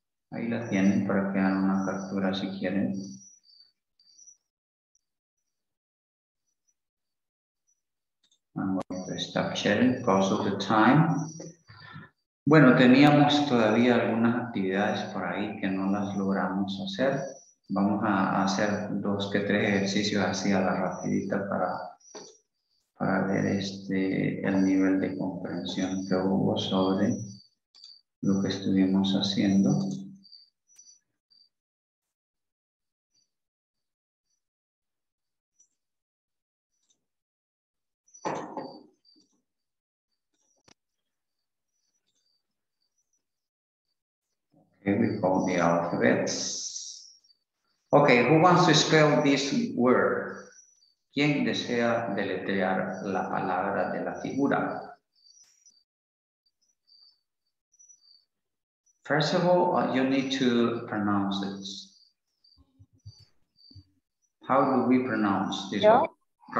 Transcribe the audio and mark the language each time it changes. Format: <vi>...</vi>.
<es>Ahí la tienen para que hagan una captura si quieren.</es> <en>I'm going to stop sharing because of the time.</en> <es>Bueno, teníamos todavía algunas actividades por ahí que no las logramos hacer. Vamos a hacer dos que tres ejercicios así a la rapidita para ver el nivel de comprensión que hubo sobre lo que estuvimos haciendo.</es> <en>Okay, we call the alphabets. Okay, who wants to spell this word?</en> <es>¿Quién desea deletrear la palabra de la figura?</es> <en>First of all, you need to pronounce it. How do we pronounce this word?</en>